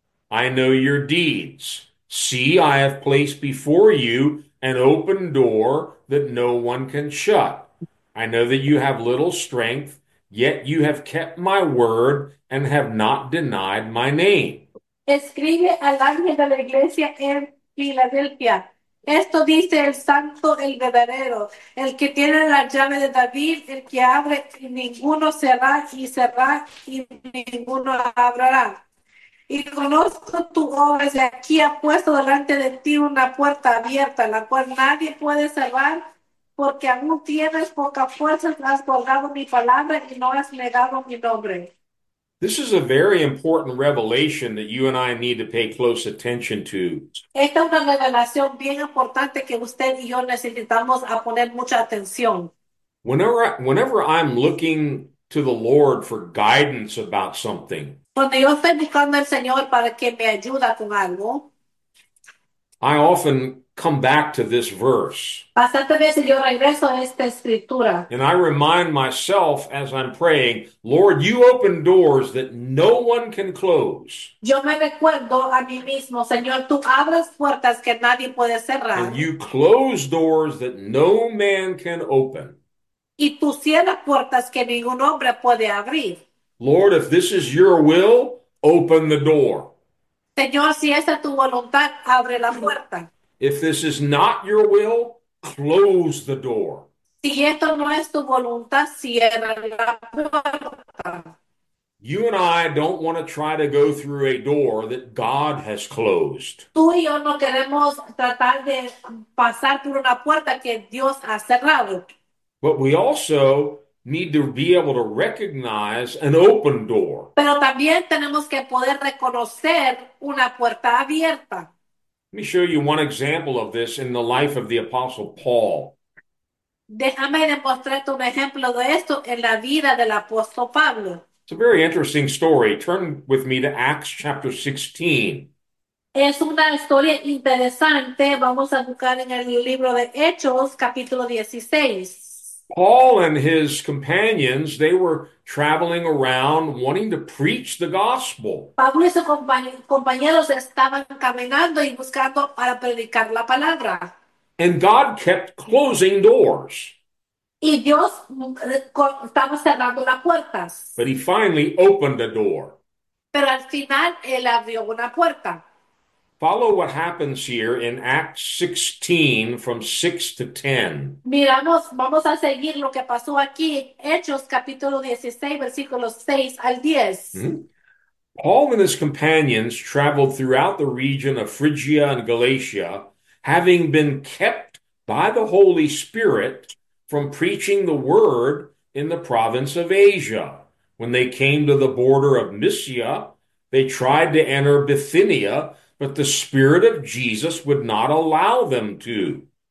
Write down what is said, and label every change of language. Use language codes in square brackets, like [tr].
[en] I know your deeds. See, I have placed before you an open door that no one can shut. I know that you have little strength. Yet you have kept my word and have not denied my name. [es] Escribe al ángel de la iglesia en Filadelfia. Esto dice el santo, el verdadero, el que tiene la llave de David, el que abre y ninguno cerrará y ninguno abrirá. Y conozco tu obra, de aquí ha puesto delante de ti una puerta abierta, la cual nadie puede cerrar, porque aún tienes poca fuerza, has guardado mi palabra y no has negado mi nombre. [en] This is a very important revelation that you and I need to pay close attention to. [es] Esta es una revelación bien importante que usted y yo necesitamos a poner mucha atención. [en] Whenever I'm looking to the Lord for guidance about something, [es] Cuando yo estoy buscando al Señor para que me ayude con algo, [en] I often come back to this verse. [es] bastantes veces yo regreso a esta escritura. [en] And I remind myself as I'm praying, Lord, you open doors that no one can close. [es] Yo me recuerdo a mí mismo, Señor, tú abres puertas que nadie puede [en] And [es] cerrar. [en] you close doors that no man can open. [es] Y tú cierras puertas que ningún hombre puede abrir. [en] Lord, if this is your will, open the door. [es] Señor, si esa es tu voluntad, abre la puerta. [en] If this is not your will, close the door. [es] Si esto no es tu voluntad, cierra la puerta. [en] You and I don't want to try to go through a door that God has closed. [es] Tú y yo no queremos tratar de pasar por una puerta que Dios ha cerrado. [en] But we also need to be able to recognize an open door. [es] Pero también tenemos que poder reconocer una puerta abierta. [en] Let me show you one example of this in the life of the Apostle Paul. [es] Déjame demostrarte un ejemplo de esto en la vida del apóstol Pablo. [en] It's a very interesting story. Turn with me to Acts chapter 16. [es] Es una historia interesante. Vamos a buscar en el libro de Hechos, capítulo 16. [en] Paul and his companions, they were traveling around wanting to preach the gospel. [es] Pablo y sus compañeros estaban caminando y buscando para predicar la palabra. [en] And God kept closing doors. [es] Y Dios estaba cerrando las puertas. [en] But he finally opened a door. [es] Pero al final, él abrió una puerta. [en] Follow what happens here in Acts 16 from 6 to 10. [es] Miramos, vamos a seguir lo que pasó aquí, Hechos capítulo 16, versículos 6 al 10. [en] Paul and his companions traveled throughout the region of Phrygia and Galatia, having been kept by the Holy Spirit from preaching the word in the province of Asia. When they came to the border of Mysia, they tried to enter Bithynia, but the Spirit of Jesus would not allow them to.